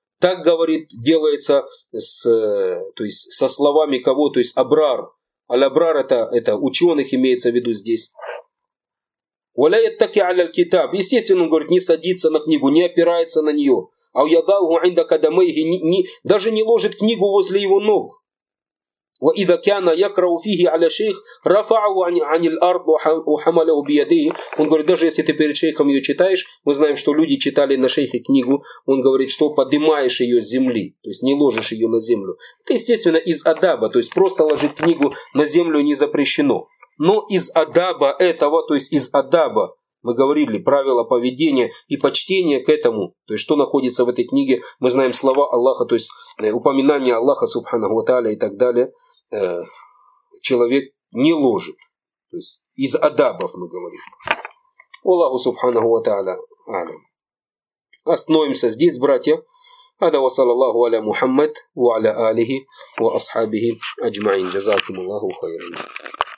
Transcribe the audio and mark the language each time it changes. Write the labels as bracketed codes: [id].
[ru] Так, говорит, делается со словами кого? То есть абрар. Аль-абрар это ученых имеется в виду здесь. Валя яттаки аль-китаб. Естественно, он говорит, не садится на книгу, не опирается на нее. Ау ядаху инда кадамейхи, даже не ложит книгу возле его ног. [ar] وإذا كان يقرأ فيه على شيخ رفعه عن الأرض وحمله بيديه. [ru] Он говорит, даже если ты перед шейхом ее читаешь, мы знаем, что люди читали на шейхе книгу, он говорит, что поднимаешь ее с земли, то есть не ложишь ее на землю. Это, естественно, из адаба, то есть просто ложить книгу на землю не запрещено. Но из адаба этого, то есть из адаба Мы говорили, правила поведения и почтения к этому, то есть что находится в этой книге, мы знаем слова Аллаха, то есть упоминания Аллаха, субханаху ва тааля и так далее, человек не ложит. То есть из адабов мы говорим. Аллаху субханаху ва тааля алям. Остановимся здесь, братья. [ar] هذا وصلى الله على محمد وعلى آله وأصحابه أجمعين جزاكم الله خيرا.